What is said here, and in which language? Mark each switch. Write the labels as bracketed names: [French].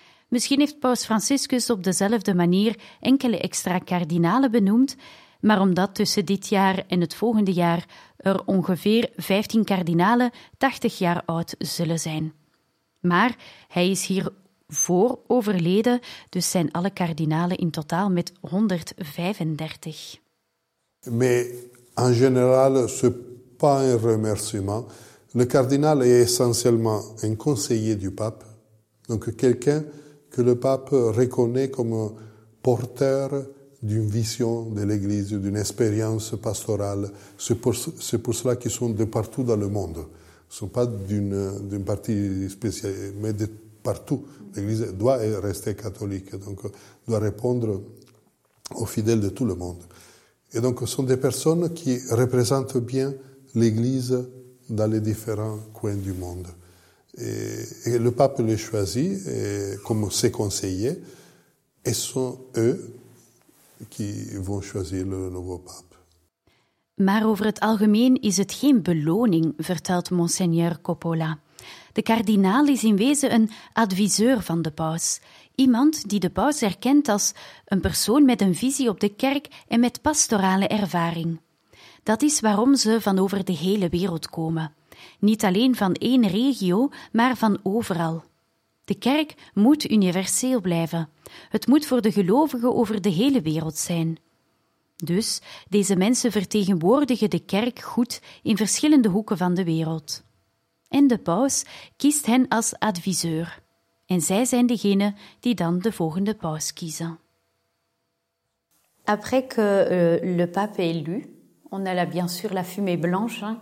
[Dutch] Misschien heeft Paus Franciscus op dezelfde manier enkele extra kardinalen benoemd, maar omdat tussen dit jaar en het volgende jaar er ongeveer 15 kardinalen 80 jaar oud zullen zijn. Maar hij is hier voor overleden, dus zijn alle kardinalen in totaal met 135. [French] Mais en général, c'est pas un remerciement. Le cardinal est essentiellement un conseiller du pape, donc quelqu'un que le pape reconnaît comme porteur d'une vision de l'Église, d'une expérience pastorale. C'est pour cela qu'ils sont de partout dans le monde. Ce sont pas d'une partie spéciale, mais de partout. L'Église doit rester catholique, donc doit répondre aux fidèles de tout le monde. Et donc, ce sont des personnes qui représentent bien l'Église dans les différents coins du monde. Et le pape les choisit comme ses conseillers, et sont eux qui vont choisir le nouveau pape. [Dutch] Maar over het algemeen is het geen beloning, vertelt Monseigneur Coppola. De kardinaal is in wezen een adviseur van de paus. Iemand die de paus erkent als een persoon met een visie op de kerk en met pastorale ervaring. Dat is waarom ze van over de hele wereld komen. Niet alleen van 1 regio, maar van overal. De kerk moet universeel blijven. Het moet voor de gelovigen over de hele wereld zijn. Dus deze mensen vertegenwoordigen de kerk goed in verschillende hoeken van de wereld. En de paus kiest hen als adviseur. En zij zijn degene die dan de volgende paus kiezen. [French] Après que le pape est élu, on a bien sûr la fumée blanche, hein.